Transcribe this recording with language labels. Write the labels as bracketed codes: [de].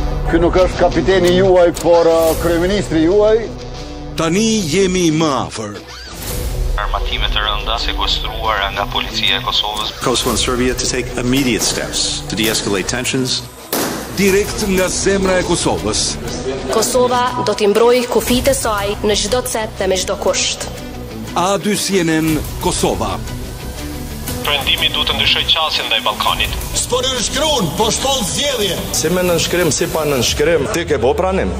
[sq] Ky nuk është kapiteni juaj, por kryeministri juaj. Tani jemi më afër. Armatime të rënda sekuestruara nga policia e Kosovës. [en] Kosovo and Serbia to take immediate steps to de-escalate tensions. [sq] Direkt nga zemra e Kosovës. Kosova do t'i mbrojë kufit e saj në çdo cep dhe me çdo kusht. A2CNN Kosova. Prendimi duhet të ndryshojë qasjen ndaj Ballkanit. S'po nënshkruan, po shkon zgjedhje. Si me nënshkrim, si pa nënshkrim, ti ke bo pranim.